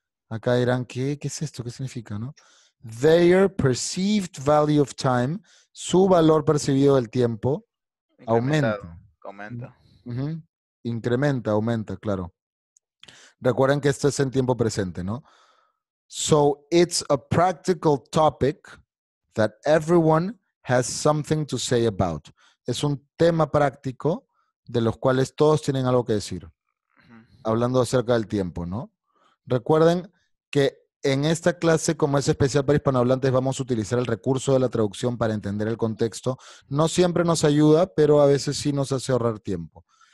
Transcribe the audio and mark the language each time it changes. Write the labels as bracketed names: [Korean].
[Spanish] Acá dirán, ¿qué es esto? ¿Qué significa, no? [English] Their perceived value of time, [Spanish] su valor percibido del tiempo, aumenta. Uh-huh. Incrementa, aumenta, claro. Recuerden que esto es en tiempo presente, ¿no? [English] So, it's a practical topic that everyone has something to say about. [Spanish] Es un tema práctico de los cuales todos tienen algo que decir. Uh-huh. Hablando acerca del tiempo, ¿no? Recuerden que en esta clase, como es especial para hispanohablantes, vamos a utilizar el recurso de la traducción para entender el contexto. No siempre nos ayuda, pero a veces sí nos hace ahorrar tiempo.